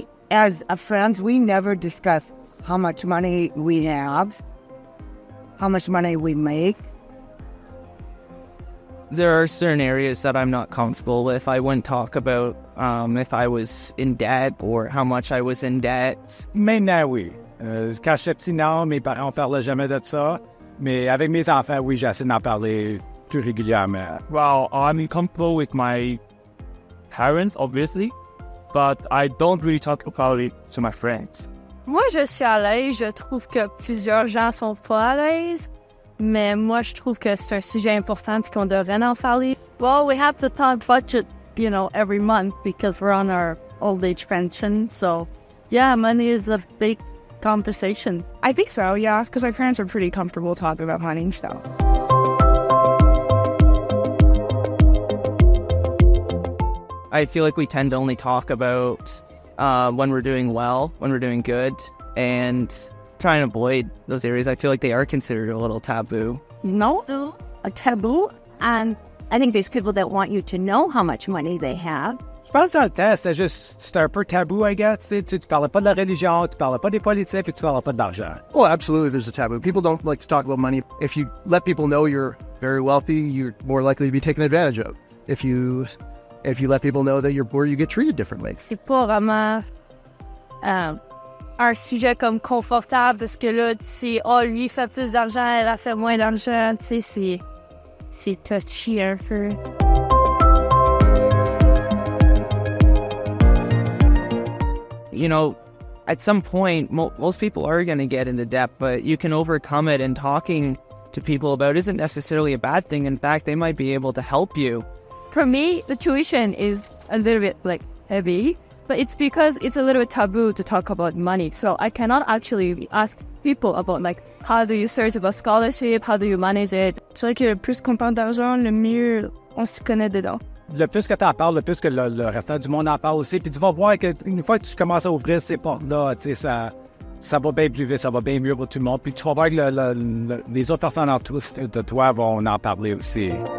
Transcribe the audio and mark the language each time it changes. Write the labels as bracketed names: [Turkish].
[English] as a friend, we never discuss how much money we have, how much money we make. There are certain areas that I'm not comfortable with. I wouldn't talk about if I was in debt or how much I was in debt. [French] Maintenant, oui. Quand j'étais petit, non, mes parents ne parlaient jamais de ça. Mais avec mes enfants, oui, j'essaie d'en parler plus régulièrement. [English] Well, I'm comfortable with my parents, obviously, but I don't really talk about it to my friends. [French] Moi, je suis à l'aise. Je trouve que plusieurs gens sont pas à l'aise. Mais moi, je trouve que c'est un sujet important et qu'on devrait en parler. [English] Well, we have to talk budget, you know, every month because we're on our old age pension. So, yeah, money is a big conversation. I think so, yeah, because my parents are pretty comfortable talking about money, so. I feel like we tend to only talk about when we're doing well, when we're doing good, and try and avoid those areas. I feel like they are considered a little taboo. No, a taboo. And I think there's people that want you to know how much money they have. [French] Je pense que c'est juste un peu taboo, [English] I guess. [French] Tu parles pas de la religion, tu parles pas des politiques, puis tu parles pas d'argent. [English] Well, absolutely, there's a taboo. People don't like to talk about money. If you let people know you're very wealthy, you're more likely to be taken advantage of. If you let people know that you're poor, you get treated differently. [French] C'est pas vraiment un sujet comme confortable parce que là, c'est oh lui fait plus d'argent, elle a fait moins d'argent. Tu sais, c'est touchy un peu. [English] You know, at some point, most people are going to get into debt, but you can overcome it. And talking to people about it isn't necessarily a bad thing. In fact, they might be able to help you. For me, the tuition is a little bit like heavy, but it's because it's a little bit taboo to talk about money. So I cannot actually ask people about like how do you search about scholarship, how do you manage it. [French] C'est vrai que le plus qu'on parle d'argent, le mieux on s'y connaît dedans. Le plus que t'en parles, le plus que le restant du monde en parle aussi. Puis tu vas voir que une fois que tu commences à ouvrir ces portes-là, tu sais, ça va bien plus vite, ça va bien mieux pour tout le monde. Puis tu vas voir que les autres personnes autour de toi vont en parler aussi.